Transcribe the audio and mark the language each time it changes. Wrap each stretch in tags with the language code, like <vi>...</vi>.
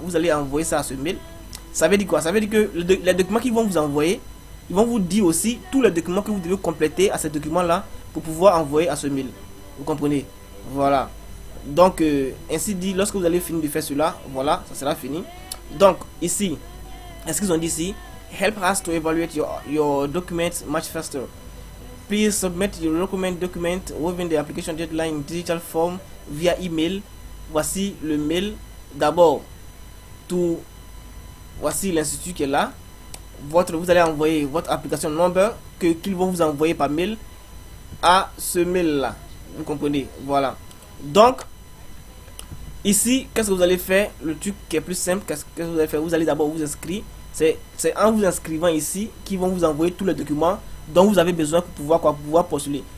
<fr>Vous allez envoyer ça à ce mail. Ça veut dire quoi? Ça veut dire que les documents qu'ils vont vous envoyer, ils vont vous dire aussi tous les documents que vous devez compléter à ces documents-là pour pouvoir envoyer à ce mail. Vous comprenez? Voilà. Donc, ainsi dit, lorsque vous allez finir de faire cela, voilà, ça sera fini. Donc, ici, est-ce qu'ils ont dit ici?</fr> <en>Help us to evaluate your documents much faster. Please submit your document within the application deadline digital form via email.</en> <fr>Voici le mail. D'abord, tout. Voici l'institut qui est là. Vous allez envoyer votre application number qu'ils vont vous envoyer par mail à ce mail-là. Vous comprenez? Voilà. Donc, ici, qu'est-ce que vous allez faire? Le truc qui est plus simple, qu'est-ce que vous allez faire? Vous allez d'abord vous inscrire. C'est en vous inscrivant ici qu'ils vont vous envoyer tous les documents dont vous avez besoin pour pouvoir, quoi, pour pouvoir postuler.</fr>